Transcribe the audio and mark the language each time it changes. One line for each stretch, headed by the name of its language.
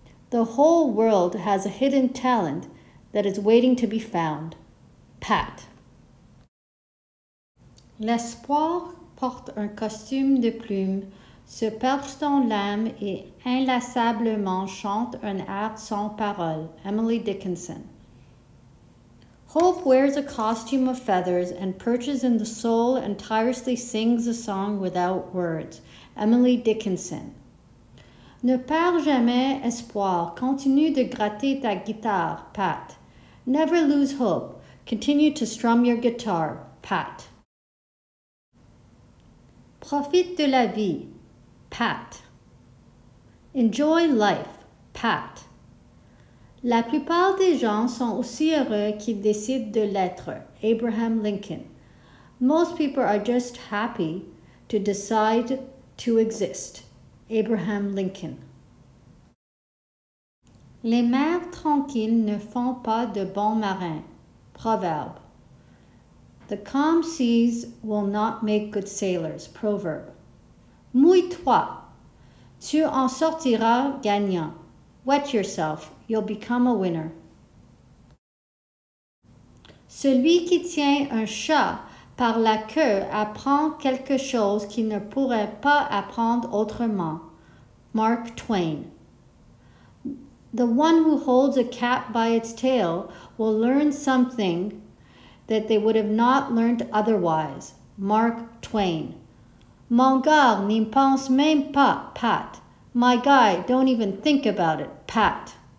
English: The whole world has a hidden talent that is waiting to be found. Pat.
French: L'espoir porte un costume de plumes, se perche dans l'âme et inlassablement chante un air sans parole. Emily Dickinson.
English: Hope wears a costume of feathers and perches in the soul and tirelessly sings a song without words. Emily Dickinson.
French: Ne perds jamais espoir. Continue de gratter ta guitare, Pat.
English: Never lose hope. Continue to strum your guitar, Pat.
French: Profite de la vie, Pat.
English: Enjoy life, Pat.
French: La plupart des gens sont aussi heureux qu'ils décident de l'être, Abraham Lincoln.
English: Most people are just happy to decide to exist. Abraham Lincoln.
French: Les mers tranquilles ne font pas de bons marins. Proverbe.
English: The calm seas will not make good sailors. Proverb.
French: Mouille-toi. Tu en sortiras gagnant.
English: Wet yourself. You'll become a winner.
French: Celui qui tient un chat par la queue apprend quelque chose qu'il ne pourrait pas apprendre autrement. Mark Twain.
English: The one who holds a cat by its tail will learn something that they would have not learned otherwise. Mark Twain.
French: Mon gars, n'y pense même pas, Pat.
English: My guy, don't even think about it, Pat.